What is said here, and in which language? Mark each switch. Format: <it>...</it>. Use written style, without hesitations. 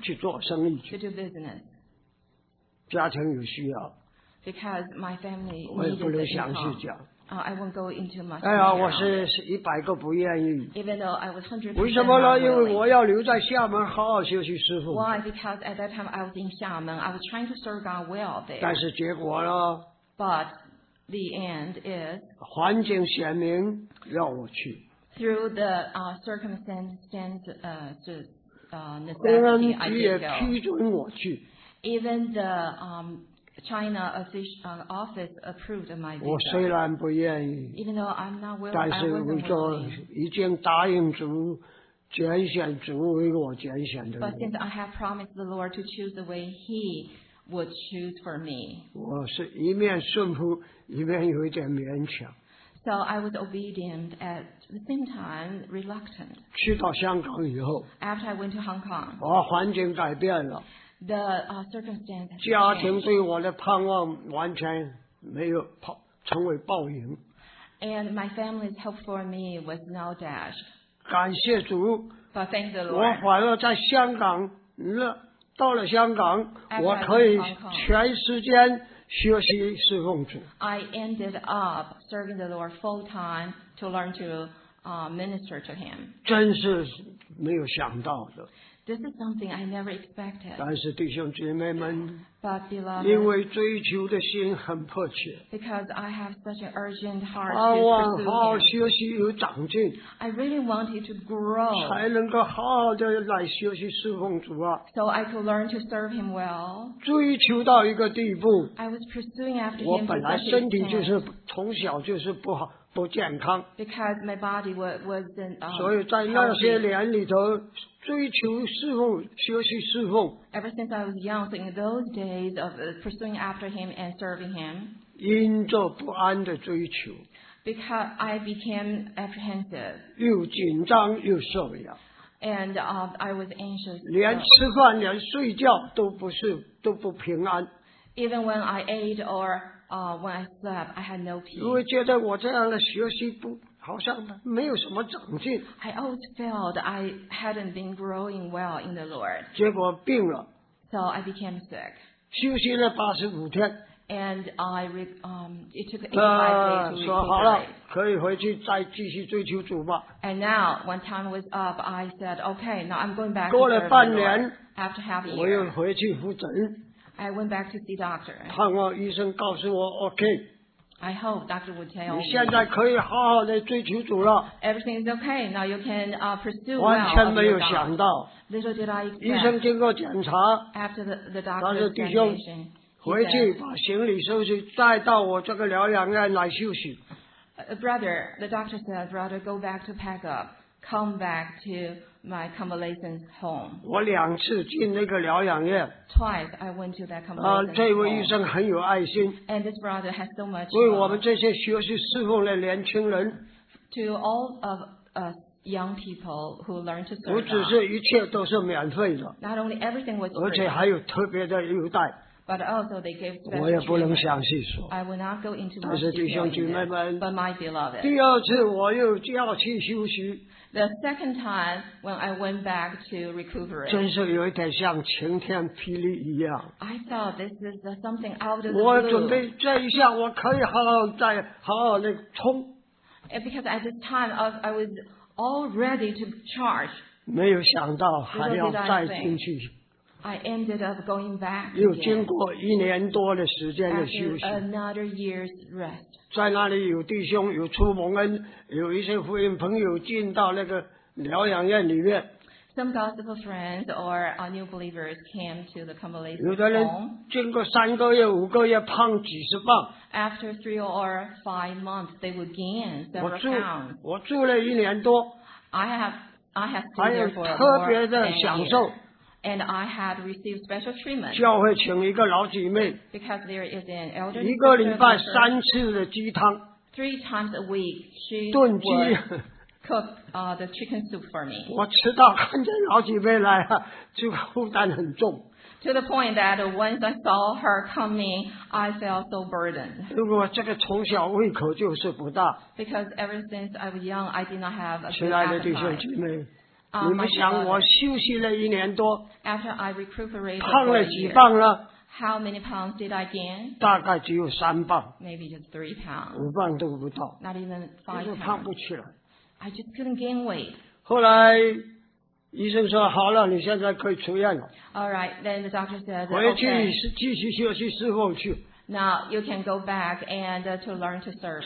<zh>去做生意。</zh> <en>To do business.</en> <zh>家庭有需要。</zh> <en>Because my family needed it.</en> <zh>我也不能详细讲。</zh> <en>I won't go into much.</en> <zh>哎呀，我是一百个不愿意。</zh> <en>Even though I was 100%.</en> <zh>为什么呢？因为我要留在厦门好好学习师父。</zh> <en>Why? Because at that time I was in 厦门. I was trying to serve God well there.</en> <zh>但是结果呢？</zh> <en>But the end is.</en> <zh>环境显明要我去。</zh> <en>Through the necessity, I did go. Even the China office approved my visa.</en> <zh>我虽然不愿意，</zh> <en>Even though I'm not willing,</en> <zh>但是为做已经答应主拣选主为我拣选的人。</zh> <en>But since I have promised the Lord to choose the way He would choose for me.</en> <zh>我是一面顺服，一面有一点勉强。</zh> <en>So I was obedient at the same time reluctant.</en> <zh>去到香港以后，</zh> <en>After I went to Hong Kong,</en> <zh>我环境改变了。</zh> <en>The circumstances.</en> <zh>家庭对我的盼望完全没有成为报应。</zh> <en>And my family's hope for me was now dashed.</en> <zh>感谢主。</zh> <en>But thank the Lord.</en> <zh>我反而在香港，到了香港，我可以全时间学习侍奉主。</zh> <en>I ended up serving the Lord full time to learn to minister to Him.</en> <zh>真是没有想到的。</zh> <en>This is something I never expected.</en> <zh>但是弟兄姐妹们，</zh> <en>but, beloved,</en> <zh>因为追求的心很迫切，</zh> <en>because I have such an urgent heart to pursue Him.</en> <zh>盼望好好学习有长进，</zh> <en>I really wanted to grow.</en> <zh>才能够好好的来学习侍奉主啊。</zh> <en>So I could learn to serve Him well.</en> <zh>追求到一个地步，</zh> <en>I was pursuing after Him.</en> <zh>我本来身体就是从小就是不好。不健康</zh> <en>because my body wasn't,</en> <zh>所以在那些年里头追求侍奉学习侍奉</zh> <en>ever since I was young in those days of pursuing after him and serving him</en> <zh>因着不安的追求</zh> <en>because I became apprehensive</en> <zh>又紧张又受压</zh> <en>and I was anxious</en> <zh>连吃饭连睡觉都不是都不平安</zh> <en>even when I ate orwhen I slept, I had no peace.</en> <zh>因为觉得我这样的学习不好像没有什么长进。</zh> <en>I always felt I hadn't been growing well in the Lord.</en> <zh>结果病了。</zh> <en>So I became sick.</en> <zh>休息了八十五天。</zh> <en>And I it took 85 days to recuperate.</en> <zh>说好了，可以回去再继续追求主吧。</zh> <en>And now, when time was up, I said, okay, now I'm going back.</en> <zh>过了半年，</zh> <en>after half a year,</en> <zh>我又回去复诊。</zh> <en>I went back to see doctor.</en> <zh>盼望医生告诉我 OK.</zh> <en>I hope doctor would tell me.</en> <zh>你现在可以好好的追求主了。</zh> <en>Everything is okay. Now you can pursue well.</en> <zh>完全没有想到。</zh> <en>Little did I expect.</en> <zh>医生经过检查。</zh> <en>After the doctor's examination.</en> <zh>他说弟兄，回去把行李收拾，再到我这个疗养院来休息。</zh> <en>Brother, the doctor said, brother, go back to pack up. Come back to. My convalescent home.</en> <zh>我两次进那个疗养院。</zh> <en>Twice I went to that convalescent home.</en> <zh>这位医生很有爱心。</zh> <en>And this brother has so much.</en> <zh>为我们这些学习侍奉的年轻人。</zh> <en>To all of us young people who learn to serve.</en> <zh>不只是一切都是免费的。</zh> <en>Not only everything was free.</en> <zh>而且还有特别的优待。</zh> <en>But also they gave special.</en> <zh>我也不能详细说。</zh> <en>I will not go into that.</en> <zh>但是弟兄姐妹们。</zh> <en>But my beloved.</en> <zh>第二次我又要去休息。</zh> <en>The second time when I went back to recuperate,</en> <zh>真是有一点像晴天霹雳一样。</zh> <en>I thought this is something out of the blue.</en> <zh>我准备这一下我可以好好再好好的冲。</zh> <en>Because at this time I was all ready to charge.</en> <zh>没有想到还要再进去。</zh> <en>I ended up going back.</en> <zh>又经过一年多的时间的休息。</zh> <en>After another year's rest.</en> <zh>在那里有弟兄有出蒙恩有一些福音朋友进到那个疗养院里面</zh> <en>Some gospel friends or new believers came to the convalescent home</en> <zh>有的人经过三个月五个月胖几十磅</zh> <en>After three or five months they would gain several pounds</en> <zh>我住了一年多</zh> <en>I have stayed there for more than a year</en> <zh>还有特别的享受</zh> <en>And I had received special treatment.</en> <zh>教会请一个老姐妹。</zh> <en>Because there is an elderly.</en> <zh>一个礼拜三次的鸡汤。</zh> <en>Three times a week, she</en> <zh>炖鸡。</zh> <en>Cook the chicken soup for me.</en> <zh>我吃到看见老姐妹来啊，就负担很重。</zh> <en>To the point that once I saw her coming, I felt so burdened.</en> <zh>如果这个从小胃口就是不大。</zh> <en>Because ever since I was young, I did not have a good appetite.</en> <zh>亲爱的弟兄姐妹。你们想我休息了一年多</zh> <en>After I recuperated</en> <zh>胖了几磅呢</zh> <en>How many pounds did I gain?</en> <zh>大概只有三磅</zh> <en>Maybe just three pounds</en> <zh>五磅都不到</zh> <en>Not even five pounds</en> <zh>我就胖不起来</zh> <en>I just couldn't gain weight</en> <zh>后来医生说好了你现在可以出院了</zh> <en>Alright, then the doctor said</en> <zh>回去继续休息侍奉去</zh> <en>Now you can go back and to learn to serve</en>